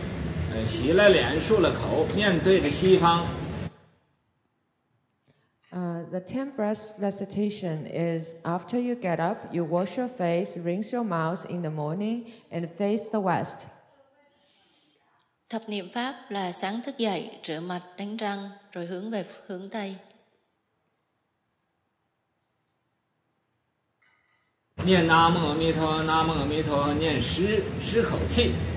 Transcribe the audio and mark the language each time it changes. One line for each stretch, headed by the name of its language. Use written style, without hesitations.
Chinese: 十念呢，法就是一早起，起了身，洗了脸，漱了口，面对着西方。
English: The 10 breath recitation is after you get up, you wash your face, rinse your mouth in the morning, and face the west.
Vietnamese: Thập niệm pháp là sáng thức dậy, rửa mặt, đánh răng, rồi hướng về hướng tây.
Chinese: 念南无阿弥陀，南无阿弥陀，念十口气。